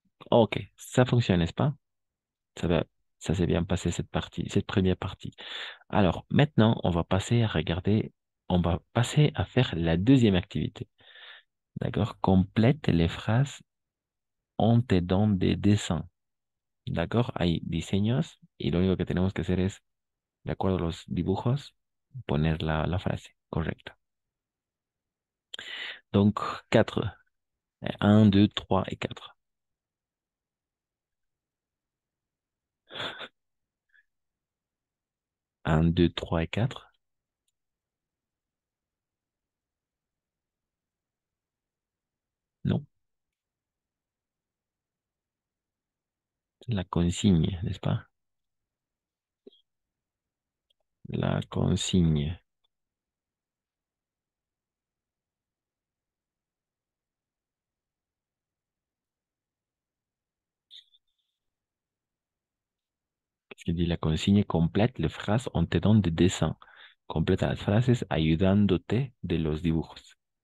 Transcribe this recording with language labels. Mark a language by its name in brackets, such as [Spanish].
[French] Ok, ça fonctionne, n'est-ce pas? Ça s'est bien passé cette partie, cette première partie. Alors, maintenant, on va passer à regarder. On va passer à faire la deuxième activité. D'accord? Complète les phrases en t'aidant des dessins. D'accord? [Spanish] Hay diseños y lo único que tenemos que hacer es, de acuerdo a los dibujos, poner la frase correcta. [French] Donc, 4. 1, 2, 3 et 4. Un, deux, trois et quatre. La consigne, n'est-ce pas? La consigne. Qu'est-ce qu'il dit? La consigne complète les phrases en t'aidant des dessins. [Spanish] Complète las frases ayudándote de los dibujos.